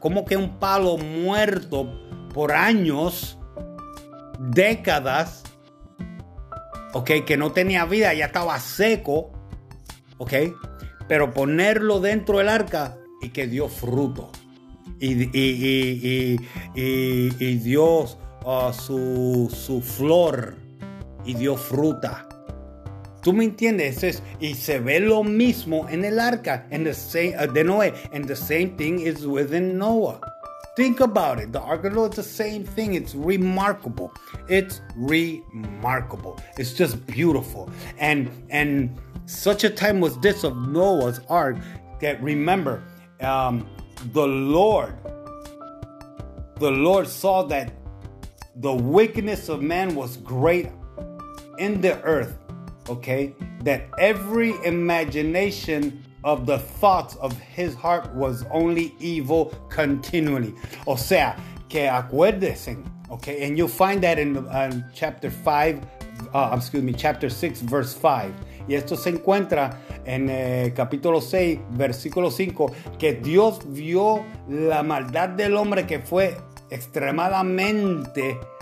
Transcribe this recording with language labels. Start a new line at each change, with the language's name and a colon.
Spanish: Como que un palo muerto por años, décadas, okay, que no tenía vida, ya estaba seco, okay, pero ponerlo dentro del arca y que dio fruto. Y dio su flor y dio fruta. ¿Tú me entiendes? Y se ve lo mismo en el arca de Noé.
English: And the same thing is within Noah. Think about it. The Ark of the Lord is the same thing. It's remarkable. It's remarkable. It's just beautiful. And such a time was this of Noah's Ark that remember, the Lord saw that the wickedness of man was great in the earth. Okay, that every imagination of the thoughts of his heart was only evil continually.
Spanish: O sea, que acuérdense,
English: okay, and you'll find that in chapter 6, verse 5.
Spanish: Y esto se encuentra en capítulo 6, versículo 5, que Dios vio la maldad del hombre que fue extremadamente